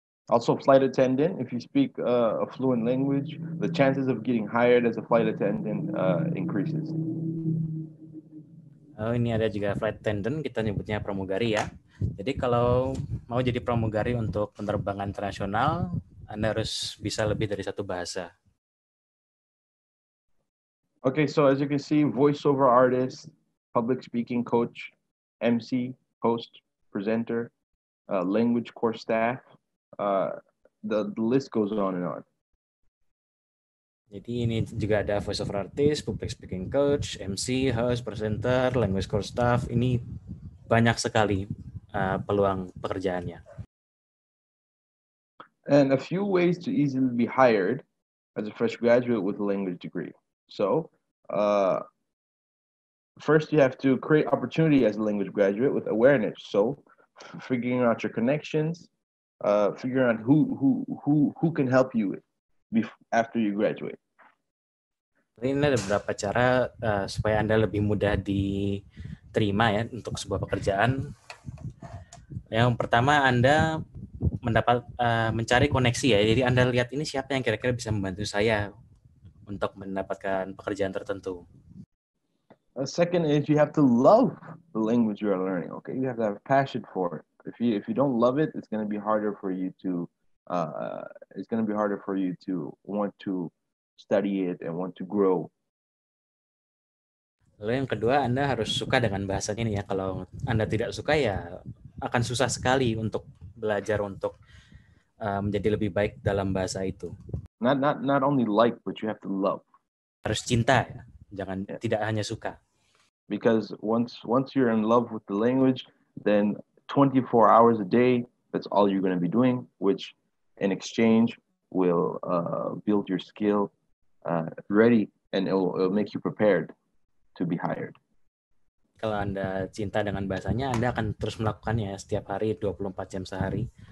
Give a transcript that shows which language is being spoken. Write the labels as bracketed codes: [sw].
[en] Also flight attendant, if you speak a fluent language, the chances of getting hired as a flight attendant increases. [id] Oh, ini ada juga flight attendant, kita nyebutnya pramugari ya. Jadi kalau mau jadi pramugari untuk penerbangan internasional, Anda harus bisa lebih dari satu bahasa. [en] Okay, so as you can see, voiceover artist, public speaking coach, MC, host, presenter, language course staff, the list goes on and on. [id] Jadi ini juga ada [en] voiceover artist, public speaking coach, MC, host, presenter, language course staff. [id] Ini banyak sekali peluang pekerjaannya. [en] And a few ways to easily be hired as a fresh graduate with a language degree. So first you have to create opportunity as a language graduate with awareness. So figuring out your connections, figuring out who can help you after you graduate. [id] Ini ada beberapa cara supaya Anda lebih mudah diterima ya untuk sebuah pekerjaan. Yang pertama Anda mencari koneksi ya. Jadi Anda lihat ini siapa yang kira-kira bisa membantu saya untuk mendapatkan pekerjaan tertentu. [en] A second is you have to love the language you are learning. Okay, you have to have passion for it. If you don't love it, it's going to be harder for you to want to study it and want to grow. [id] Lalu yang kedua, Anda harus suka dengan bahasanya nih ya. Kalau Anda tidak suka ya akan susah sekali untuk belajar untuk menjadi lebih baik dalam bahasa itu. [en] Not only like, but you have to love. [id] Harus cinta ya. Jangan yeah. Tidak hanya suka. [en] Because once you're in love with the language, then 24 hours a day, that's all you're going to be doing, which in exchange will build your skill ready and it'll make you prepared to be hired. [id] Kalau Anda cinta dengan bahasanya, Anda akan terus melakukannya setiap hari 24 jam sehari.